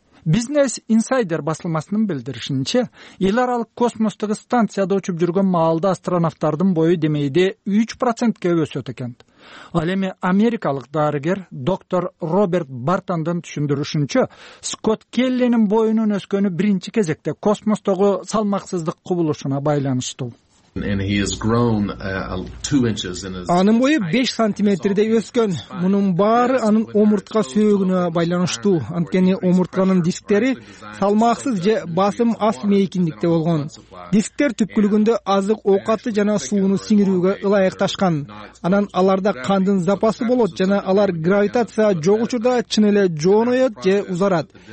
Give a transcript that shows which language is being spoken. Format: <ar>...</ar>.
<ky>Business Insider басылмасынын билдиришинче, эл аралык космостук станцияда учуп жүргөн маалда астронавттардын бою демейде 3%ге өсөт экен. Ал эми америкалык дарыгер доктор Роберт Бартандын түшүндүрүшүнчө, Скотт Келлинин боюнун өскөнү биринчи кезекте космостогу салмаксыздык кубулушуна байланыштуу.</ky> <en>And he has grown 2 inches in his</en> <ky>Анын бою 5 сантиметрде өскөн. Мунун баары анын омуртка сөөгүнө байланыштуу. Анткени омурткаңын дисктери салмаксыз же басым аз мейкиндикте болгон. Дисктер түпкүлүгүндө азык оокаты жана сууну сиңирүүгө ылайыкташкан. Анан аларда кандын запасы болот жана алар гравитация жок учурда чын эле жоонойт же узарат.</ky>